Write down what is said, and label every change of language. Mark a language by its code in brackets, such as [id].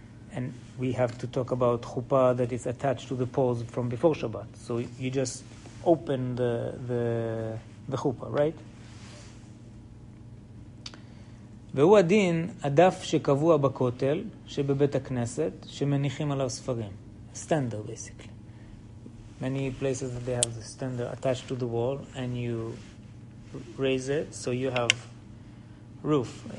[en] And we have to talk about chupa that is attached to the poles from before Shabbat. So you just open the chupa, right? [he] והוא הדין, הדף שקבוע בכותל, שבבית הכנסת, שמניחים עליו ספרים. [en] Standard, basically. Many places that they have the standard attached to the wall, and you raise it, so you have roof.